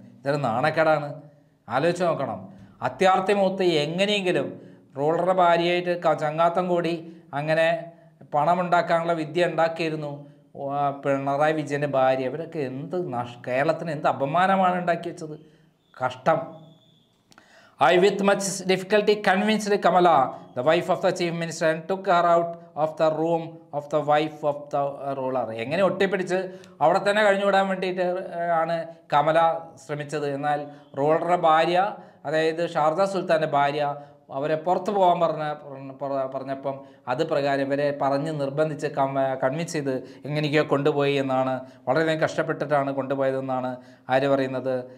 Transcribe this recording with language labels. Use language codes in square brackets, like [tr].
[ml] ഇതൊരു നാണക്കേടാണ്, ആലോചിച്ച് നോക്കണം. അത്യാർത്ഥി മൂത്ത് എങ്ങനെയെങ്കിലും റോളുടെ ഭാര്യയായിട്ട് ചങ്ങാത്തം കൂടി അങ്ങനെ പണമുണ്ടാക്കാനുള്ള വിദ്യ ഉണ്ടാക്കിയിരുന്നു പിണറായി വിജയൻ്റെ ഭാര്യ. ഇവരൊക്കെ എന്ത് കേരളത്തിന് എന്ത് അപമാനമാണ് ഉണ്ടാക്കി വെച്ചത്! കഷ്ടം. [en] I with much difficulty convinced Kamala, the wife of the chief minister, and took her out of the room of the wife of the ruler. [ml] എങ്ങനെ ഒട്ടിപ്പിടിച്ച് അവിടെ തന്നെ കഴിഞ്ഞു വിടാൻ വേണ്ടിയിട്ട് ആണ് കമല ശ്രമിച്ചത്. എന്നാൽ റൂളറുടെ ഭാര്യ, അതായത് ഷാർജ സുൽത്താൻ്റെ ഭാര്യ, അവരെ പുറത്ത് പോകാൻ പറഞ്ഞപ്പം അത് പ്രകാരം ഇവരെ പറഞ്ഞ് നിർബന്ധിച്ച് കൺവിൻസ് ചെയ്ത് എങ്ങനെയൊക്കെയോ കൊണ്ടുപോയി എന്നാണ്, വളരെയധികം കഷ്ടപ്പെട്ടിട്ടാണ് കൊണ്ടുപോയതെന്നാണ് ആര് പറയുന്നത്?